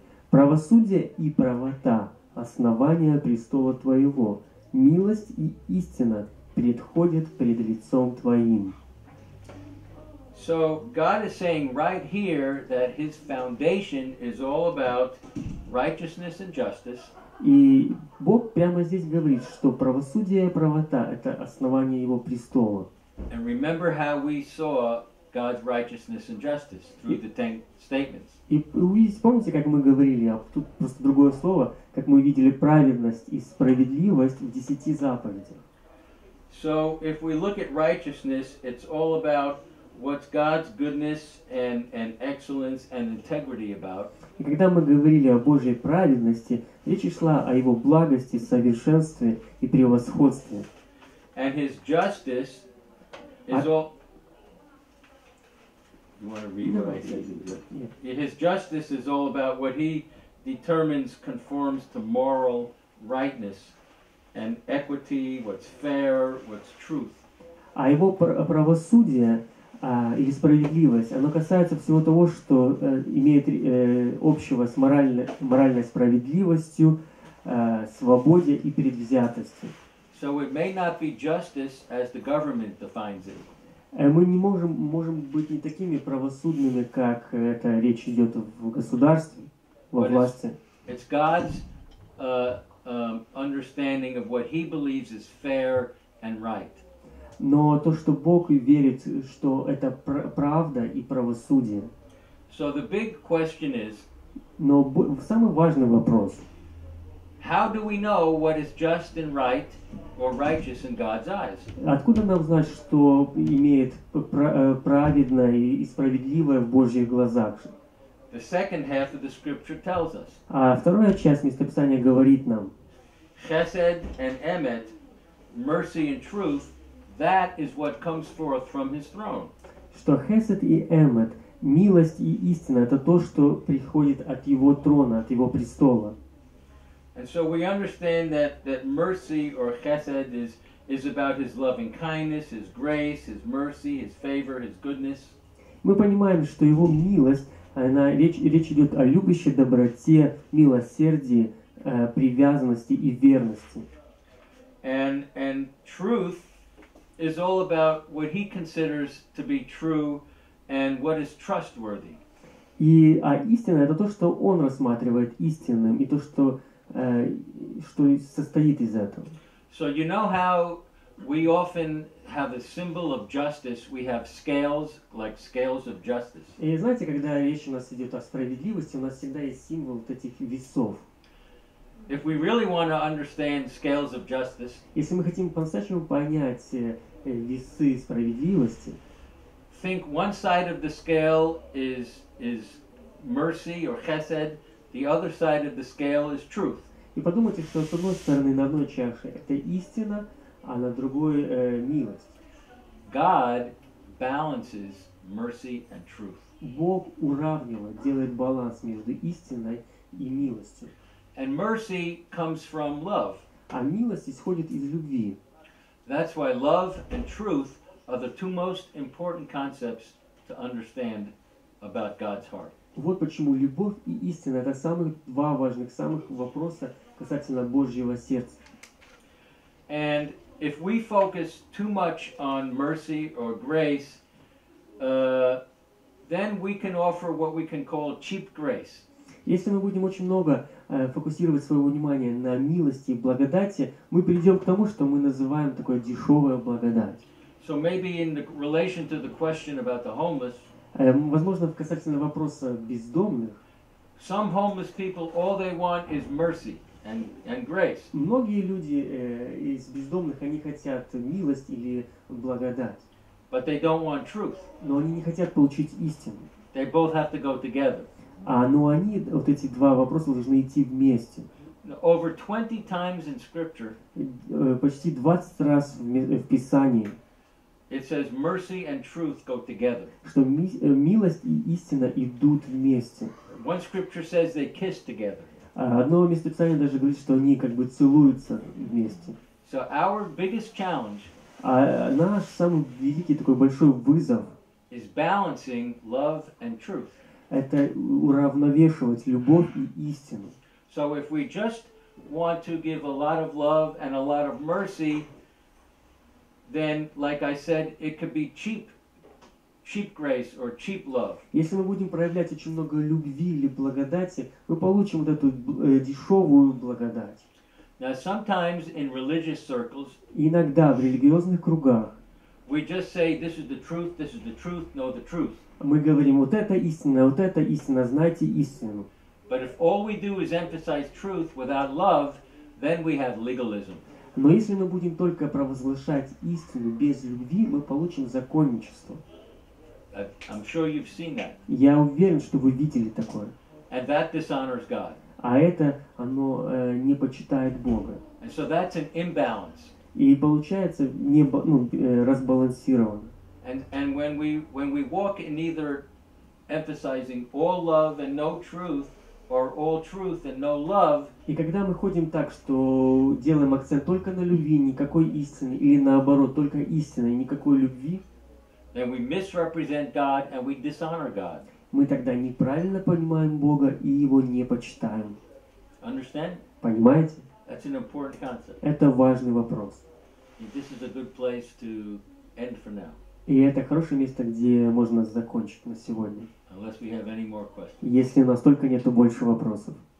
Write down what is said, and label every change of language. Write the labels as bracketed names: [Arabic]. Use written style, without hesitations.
[Russian] Правосудие и правота — основание престола Твоего. Милость и истина предходят пред лицом Твоим. [English] So God is saying right here that His foundation is all about righteousness and justice. [Russian] И Бог прямо здесь говорит, что правосудие и правота — это основание Его престола. [English] And remember how we saw God's righteousness and justice through the ten statements. [Russian] И помните, как мы говорили, а тут просто другое слово, как мы видели праведность и справедливость в десяти заповедях. [English] So if we look at righteousness, it's all about what's God's goodness and excellence and integrity about. [Russian] И когда мы говорили о Божьей праведности, речь шла о Его благости, совершенстве и превосходстве. [English] And His justice. You want to read what I said? Yeah. His justice is all about what he determines conforms to moral rightness and equity, what's fair, what's truth. [Russian] А его правосудие или справедливость, оно касается всего того, что имеет общего с моральной справедливостью, свободе и предвзятостью. [English] So it may not be justice as the government defines it. [Russian] Мы не можем быть не такими правосудными, как это речь идет в государстве, во власти. [English] It's God's understanding of what He believes is fair and right. [Russian] Но то, что Бог верит, что это правда и правосудие. [English] So the big question is. [Russian] Но самый важный вопрос. [English] How do we know what is just and right or righteous in God's eyes? [Russian] Откуда нам знать, что имеет праведное и справедливое в Божьих глазах? [English] The second half of the scripture tells us. [Russian] А вторая часть места Писания говорит нам. [English] Chesed and emet, mercy and truth, that is what comes forth from his throne. [Russian] Что Chesed и Emet, милость и истина, это то, что приходит от его трона, от его престола. [English] And so we understand that mercy or chesed is about his loving kindness, his grace, his mercy, his favor, his goodness. [Russian] Мы понимаем, что его милость, она речь идет о любящей доброте, милосердии, привязанности и верности. [English] And truth is all about what he considers to be true and what is trustworthy. [Russian] И истина это то, что он рассматривает истинным и то, что что состоит из этого. [English] So you know how we often have a symbol of justice, we have scales, like scales of justice. [Russian] И знаете, когда речь у нас идет о справедливости, у нас всегда есть символ вот этих весов. [English] If we really want to understand scales of justice, [Russian] если мы хотим по-настоящему понять весы справедливости, [English] think one side of the scale is mercy or chesed, the other side of the scale is truth. [Russian] И подумайте, что с одной стороны на одной чаше это истина, а на другой милость. [English] God balances mercy and truth. [Russian] Бог уравнивает, делает баланс между истиной и милостью. [English] And mercy comes from love. [Russian] А милость исходит из любви. [English] That's why love and truth are the two most important concepts to understand about God's heart. [Russian] Вот почему любовь и истина — это самых два важных, самых вопроса касательно Божьего сердца. [English] And if we focus too much on mercy or grace, then we can offer what we can call cheap grace. [Russian] Если мы будем очень много фокусировать своего внимания на милости и благодати, мы придем к тому, что мы называем такое дешевое благодать. [English] So maybe in the relation to the question about the homeless. [Russian] Возможно, касательно вопроса бездомных. [English] Some homeless people, all they want is mercy and grace. [Russian] Многие люди из бездомных, они хотят милость или благодать. [English] But they don't want truth. [Russian] Но они не хотят получить истину. [English] They both have to go together. [Russian] Но они, вот эти два вопроса должны идти вместе. [English] Over 20 times in scripture. [Russian] Почти 20 раз в Писании. [English] It says mercy and truth go together. [Russian] Что милость и истина идут вместе. [English] One scripture says they kiss together. [Russian] Одно место Писания даже говорит, что они как бы целуются вместе. [English] So our biggest challenge. [Russian] Наш самый великий такой большой вызов. [English] Is balancing love and truth. [Russian] Это уравновешивать любовь и истину. [English] So if we just want to give a lot of love and a lot of mercy. Then, like I said, it could be cheap grace or cheap love. [Russian] Если мы будем проявлять очень много любви или благодати, мы получим вот эту дешевую благодать. [English] Now, sometimes in religious circles, [Russian] иногда в религиозных кругах, [English] we just say, this is the truth, know the truth. [Russian] Мы говорим, вот это истина, знайте истину. [English] But if all we do is emphasize truth without love, then we have legalism. [Russian] Но если мы будем только провозглашать истину без любви, мы получим законничество. [English] I'm sure you've seen that. [Russian] Я уверен, что вы видели такое. [English] And that dishonors God. [Russian] А это, оно не почитает Бога. [English] And so that's an imbalance. [Russian] И получается разбалансировано. [English] And when we walk in either emphasizing all love and no truth, or all truth and no love. [Russian] И когда мы ходим так, что делаем акцент только на любви, никакой истины, или наоборот, только истина и никакой любви, [English] then we misrepresent God and we dishonor God. [Russian] Мы тогда неправильно понимаем Бога и его не почитаем. [English] Understand? [Russian] Понимаете? [English] That's an important concept. [Russian] Это важный вопрос. [English] This is a good place to end for now. [Russian] И это хорошее место, где можно закончить на сегодня. [English] Unless we have any more questions. [Russian] Если у нас только нету больше вопросов.